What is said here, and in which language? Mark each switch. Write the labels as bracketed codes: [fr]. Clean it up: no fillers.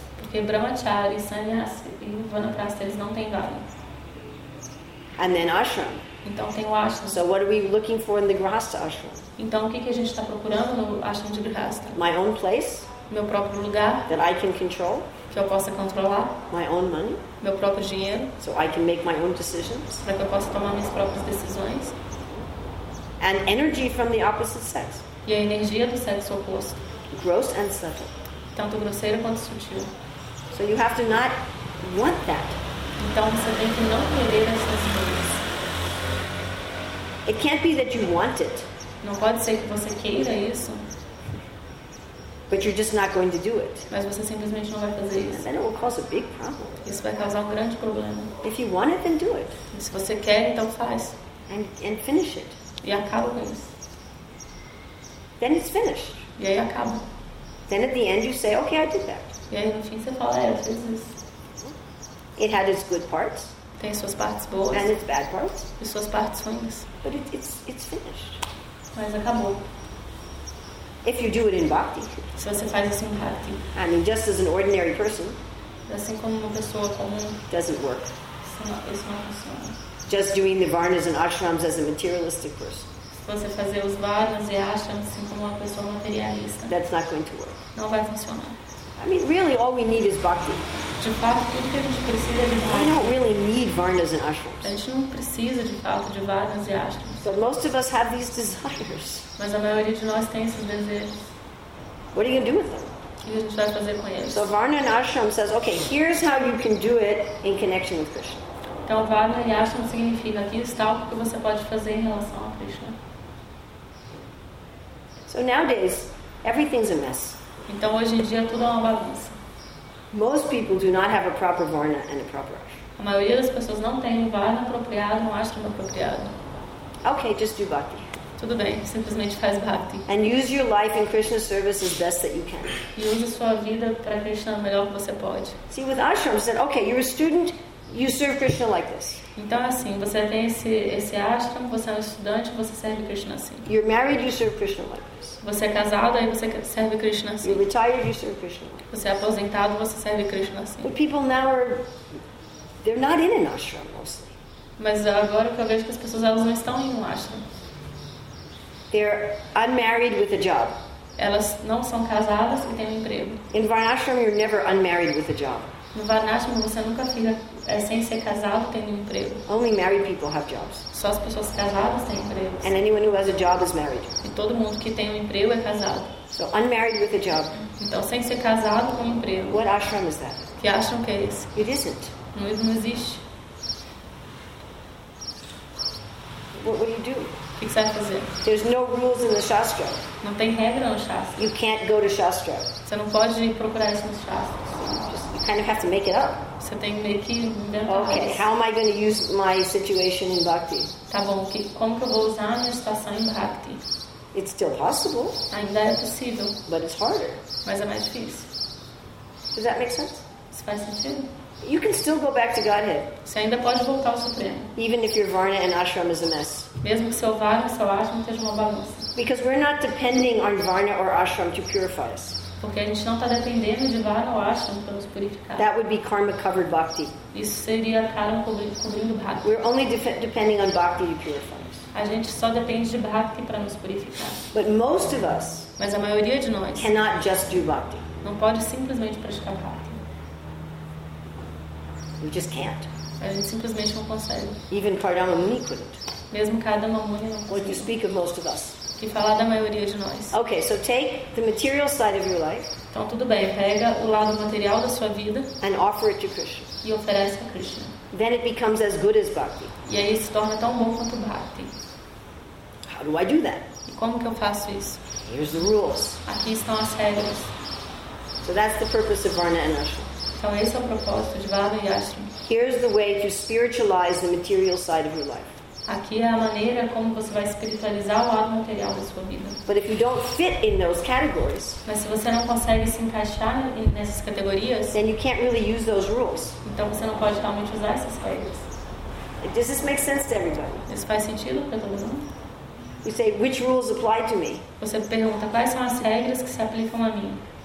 [pt] Porque brahmachari, sannyas e vanaprastha, eles não têm varna. [en] And then ashram. [pt] Então tem o ashram. [en] So what are we looking for in the grihastha ashram? [pt] Então o que que a gente está procurando no ashram de grihastha? [en] My own place. [pt] Meu próprio lugar. [en] That I can control. [pt] Que eu possa controlar. [en] My own money. [pt] Meu próprio dinheiro. [en] So I can make my own decisions. [pt] Para que eu possa tomar minhas próprias decisões. [en] And energy from the opposite sex. [pt] E a energia do sexo oposto. [en] Gross and subtle. [pt] Tanto grosseiro quanto sutil. [en] So you have to not want that. [pt] Então você tem que não querer essas coisas. [en] It can't be that you want it. [pt] Não pode ser que você queira isso. [en] But you're just not going to do it. [pt] Mas você simplesmente não vai fazer isso. [en] And then it will cause a big problem. [pt] Isso vai causar um grande problema. [en] If you want it, then do it. [pt] E se você quer, então faz. [en] And finish it. [pt] E acaba com isso. [en] Then it's finished. [pt] E aí acaba. [en] Then at the end you say, okay, I did that. [pt] E aí no fim você fala, eu fiz isso. [en] It had its good parts. [pt] Tem suas partes boas. [en] And its bad parts. [pt] E suas partes ruins. [en] But it's finished. [pt] Mas acabou. [en] If you do it in bhakti. [pt] Se você faz isso em bhakti. [en] I mean, just as an ordinary person. [pt] Assim como uma pessoa comum. [en] Doesn't work. [pt] Isso não funciona. [en] Just doing the varnas and ashrams as a materialistic person. [pt] Se você fazer os varnas e ashrams assim como uma pessoa materialista. [en] That's not going to work. [pt] Não vai funcionar. [en] I mean, really, all we need is bhakti. [pt] De fato, tudo que a gente precisa é de bhakti. [en] We don't really need varnas and ashrams. [pt] A gente não precisa, de fato, de varnas e ashrams. [en] But most of us have these desires. [pt] Mas a maioria de nós tem esses desejos. [en] What are you going to do with them? [pt] O que a gente vai fazer com eles? [en] So varna and ashram says, okay, here's how you can do it in connection with Krishna. [pt] Então, varna e ashram significa aqui está o que você pode fazer em relação a Krishna. [en] So nowadays, everything's a mess. [pt] Então hoje em dia tudo é uma bagunça. [en] Most people do not have a proper varna and a proper ashram. [pt] A maioria das pessoas não tem um varna apropriado, um ashram apropriado. [en] Okay, just do bhakti. [pt] Tudo bem, simplesmente faz bhakti. [en] And use your life in Krishna's service as best that you can. [pt] E use sua vida para Krishna o melhor que você pode. [en] See, with ashram, said, okay, you're a student, you serve Krishna like this. [pt] Então assim, você tem esse ashram, você é um estudante, você serve Krishna assim. [en] You're married, you serve Krishna like this. [pt] Você é casado e você serve Krishna assim. [en] You're retired, you serve Krishna. [pt] Você é aposentado, você serve Krishna assim. [en] But people now are, they're not in an ashram mostly. [pt] Mas agora que eu vejo que as pessoas elas não estão em um ashram. [en] They're unmarried with a job. [pt] Elas não são casadas e têm um emprego. [en] In Varnashram, you're never unmarried with a job. [pt] No Varnashram, você nunca fica sem ser casado tendo um emprego. [en] Only married people have jobs. [pt] Só as pessoas casadas têm emprego. [en] And anyone who has a job is married. [pt] E todo mundo que tem um emprego é casado. [en] So unmarried with a job. [pt] Então sem ser casado com um emprego. [en] What ashram is that? [pt] Que ashram que é esse? [en] It isn't. [pt] Não existe. [en] What do you do? [pt] O que você vai fazer? [en] There's no rules in the shastra. [pt] Não tem regra no shastra. [en] You can't go to shastra. [pt] Você não pode procurar isso nos shastras. [en] Kind of have to make it up. [pt] Você tem que meio que inventar. [en] Okay, [pt] isso. [en] How am I going to use my situation in bhakti? [pt] Tá bom, como que eu vou usar a minha situação em bhakti? [en] It's still possible. [pt] Ainda é possível. [en] But it's harder. [pt] Mas é mais difícil. [en] Does that make sense? [pt] Isso faz sentido? [en] You can still go back to Godhead. [pt] Você ainda pode voltar ao Supremo. [en] Even if your varna and ashram is a mess. [pt] Mesmo que seu varna e seu ashram estejam uma bagunça. [en] Because we're not depending on varna or ashram to purify us. [pt] Porque a gente não está dependendo de varna ou ashram para nos purificar. [en] That would be karma covered bhakti. [pt] Isso seria karma cobrindo bhakti. [en] We're only depending on bhakti to purify. [pt] A gente só depende de bhakti para nos purificar. [en] But most of us, [pt] mas a maioria de nós, [en] cannot just do bhakti. [pt] Não pode simplesmente praticar bhakti. [en] We just can't. [pt] A gente simplesmente não consegue. [en] Even Kardama Muni couldn't. [pt] Mesmo Kardama Muni não consegue. [en] What you speak of most of us. [pt] Que falar da maioria de nós. [en] Okay, so take the material side of your life. [pt] Então tudo bem, pega o lado material da sua vida. [en] And offer it to Krishna. [pt] E oferece a Krishna. [en] Then it becomes as good as bhakti. [pt] E aí se torna tão bom quanto bhakti. [en] How do I do that? [pt] E como que eu faço isso? [en] Here's the rules. [pt] Aqui estão as regras. [en] So that's the purpose of varna and ashram. [pt] Então esse é o propósito de varna e ashram. [en] Here's the way to spiritualize the material side of your life. [pt] Aqui é a maneira como você vai espiritualizar o lado material da sua vida. [en] But if you don't fit in those categories, [pt] mas se você não consegue se encaixar nessas categorias, [en] then you can't really use those rules. [pt] Então você não pode realmente usar essas regras. [en] Does this make sense to everybody? [pt] Isso faz sentido para todo mundo? [en] You say, which rules apply to me? [pt] Você pergunta quais são as regras que se aplicam a mim?